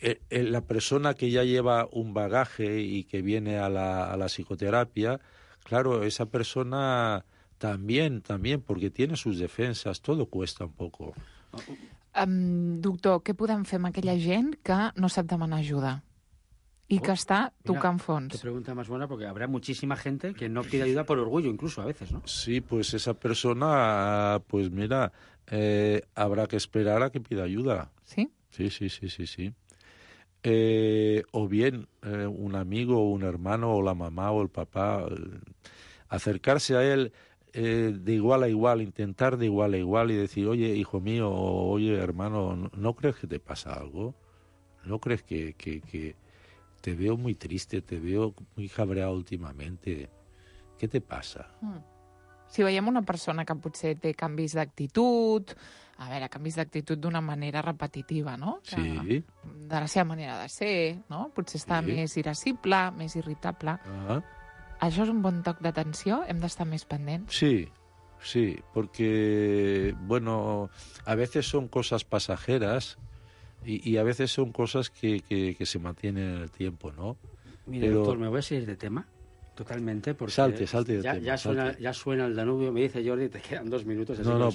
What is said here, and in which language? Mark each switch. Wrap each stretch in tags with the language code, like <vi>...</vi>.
<es>La persona que ya lleva un bagaje y que viene a la psicoterapia, claro, esa persona también, porque tiene sus defensas, todo cuesta un poco.</es> <ca>Doctor, què podem fer amb aquella gent que no sap demanar ajuda i que està tocant fons?</ca> <es>Te pregunta más buena porque habrá muchísima gente que no pide ayuda por orgullo incluso a veces, ¿no? Sí, pues esa persona, pues mira, habrá que esperar a que pida ayuda. ¿Sí? Sí. O bien un amigo o un hermano o la mamá o el papá, acercarse a él de igual a igual, intentar de igual a igual y decir, oye, hijo mío, oye, hermano, ¿no crees que te pasa algo? ¿No crees que te veo muy triste, te veo muy cabreado últimamente? ¿Qué te pasa?</es> <ca>Si veiem una persona que potser té canvis d'actitud, a veure, canvis d'actitud d'una manera repetitiva, no? Sí. De la seva manera de ser, no? Potser està més irascible, més irritable. Això és un bon toc d'atenció? Hem d'estar més pendents?</ca> <es>Sí, porque, bueno, a veces son cosas pasajeras y a veces son cosas que se mantienen en el tiempo, ¿no? Mira, pero... doctor, me voy a seguir de tema. Totalmente, porque salte de ya, tema, ya, suena, salte. Ya suena el Danubio, me dice Jordi, te quedan dos minutos, así</es>